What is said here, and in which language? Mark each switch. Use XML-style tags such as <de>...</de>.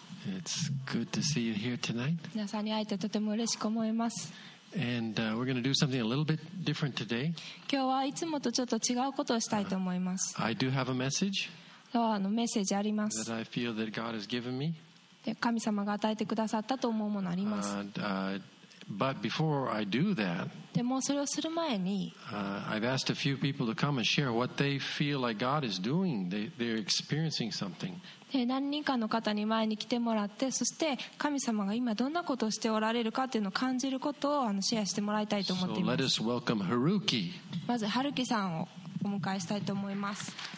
<en>It's good to see you here tonight.</en> <ja>皆さんに会えてとても嬉しく思います。</ja> <en>And we're going to do something a little bit different today.</en> <ja>今日はいつもとちょっと違うことをしたいと思います。</ja> <en>I do have a message.</en> <ja>そう、あのメッセージあります。</ja> <en>That I feel that God has given me.</en> <ja>神様が与えてくださったと思うものあります。</ja> <en>But before I do that,</en> <ja>でもそれをする前に、</ja> <en>I've asked a few people to come and share what they feel like God is doing. They're experiencing something.</en> <ja>で何人かの方に前に来てもらって、そして神様が今どんなことをしておられるかっていうのを感じることをあのシェアしてもらいたいと思っています。</ja> <en>So let us welcome Haruki.</en> <ja>まず Haruki さんをお迎えしたいと思います。</ja>